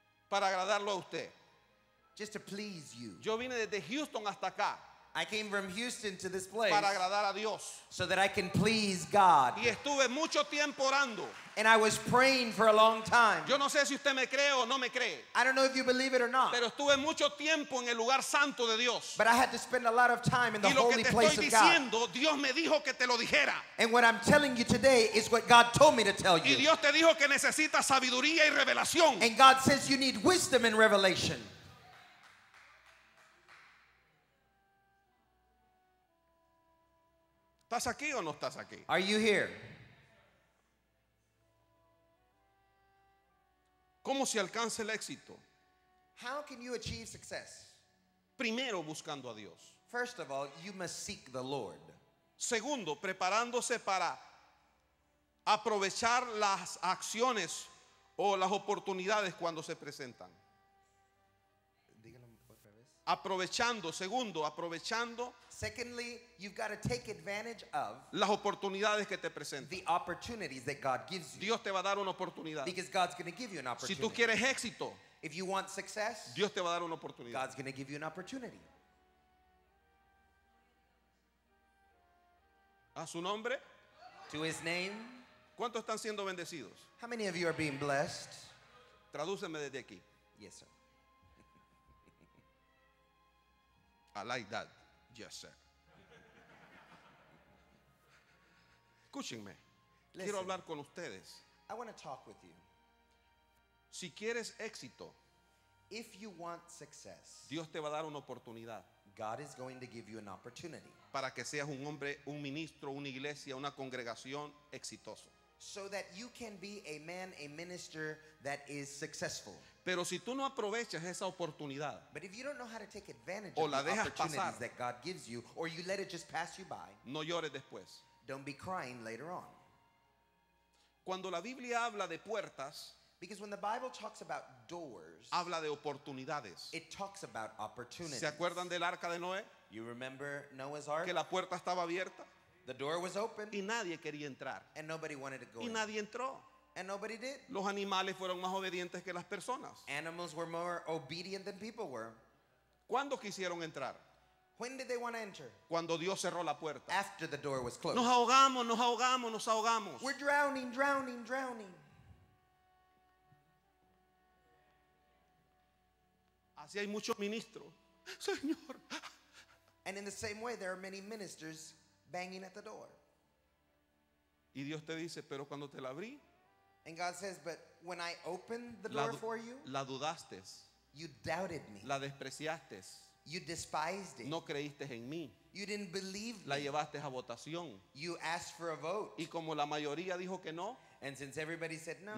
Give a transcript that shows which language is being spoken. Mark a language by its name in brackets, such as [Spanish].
[Spanish] Para agradarlo a usted. [English] Just to please you. [Spanish] Yo vine desde Houston hasta acá. [English] I came from Houston to this place. [Spanish] Para agradar a Dios. [English] So that I can please God. [Spanish] Y estuve mucho tiempo orando. [English] And I was praying for a long time. [Spanish] Yo no sé si usted me cree o no me cree. [English] I don't know if you believe it or not. [Spanish] Pero estuve mucho tiempo en el lugar santo de Dios. [English] But I had to spend a lot of time in the holy place of God. [Spanish] Y lo que te estoy diciendo, Dios me dijo que te lo dijera. [English] And what I'm telling you today is what God told me to tell you. [Spanish] Y Dios te dijo que necesitas sabiduría y revelación. [English] And God says you need wisdom and revelation. [Spanish] ¿Estás aquí o no estás aquí? [English] Are you here? [Spanish] ¿Cómo se alcanza el éxito? [English] How can you achieve success? [Spanish] Primero, buscando a Dios. [English] First of all, you must seek the Lord. [Spanish] Segundo, preparándose para aprovechar las acciones o las oportunidades cuando se presentan. Aprovechando, segundo, aprovechando. [English] Secondly, you've got to take advantage of [Spanish] las oportunidades que te presentan. [English] The opportunities that God gives you. [Spanish] Dios te va a dar una oportunidad. [English] Because God's going to give you an opportunity. [Spanish] Si tú quieres éxito, [English] if you want success, [Spanish] Dios te va a dar una oportunidad. [English] God's going to give you an opportunity. [Spanish] A su nombre. [English] To his name. [Spanish] ¿Cuántos están siendo bendecidos? [English] How many of you are being blessed? [Spanish] Tradúceme desde aquí. [English] Yes, sir. I like that. Yes, sir. [Spanish] Escúchenme. [English] Listen, [Spanish] quiero hablar con ustedes. [English] I want to talk with you. [Spanish] Si quieres éxito, [English] if you want success, [Spanish] Dios te va a dar una oportunidad. [English] God is going to give you an opportunity. [Spanish] Para que seas un hombre, un ministro, una iglesia, una congregación exitoso. [English] So that you can be a man, a minister that is successful. [Spanish] Pero si tú no aprovechas esa oportunidad, [English] but if you don't know how to take advantage of the opportunities [Spanish] pasar, [English] that God gives you, or you let it just pass you by, [Spanish] no llores después. [English] Don't be crying later on. [Spanish] Cuando la Biblia habla de puertas, [English] because when the Bible talks about doors, [Spanish] habla de oportunidades. [English] It talks about opportunities. [Spanish] ¿Se acuerdan del arca de Noé? [English] You remember Noah's ark? [Spanish] Que la puerta estaba abierta. [English] The door was open. [Spanish] Y nadie quería entrar. [English] And nobody wanted to go [Spanish] y [English] in. [Spanish] Y nadie entró. [English] And nobody did. [Spanish] Los animales fueron más obedientes que las personas. [English] Animals were more obedient than people were. [Spanish] ¿Cuándo quisieron entrar? [English] When did they want to enter? [Spanish] Cuando Dios cerró la puerta. [English] After the door was closed. [Spanish] Nos ahogamos, nos ahogamos, nos ahogamos. [English] We're drowning, drowning, drowning. [Spanish] Así hay muchos ministros. Señor. [English] And in the same way, there are many ministers banging at the door. [Spanish] Y Dios te dice, pero cuando te la abrí, [English] and God says, but when I opened the door for you, [Spanish] la dudaste. [English] You doubted me. [Spanish] La despreciaste. [English] You despised it. [Spanish] No creíste en mí. [English] You didn't believe me. [Spanish] La llevaste a votación. [English] You asked for a vote. [Spanish] Y como la mayoría dijo que no, [English] and since everybody said no,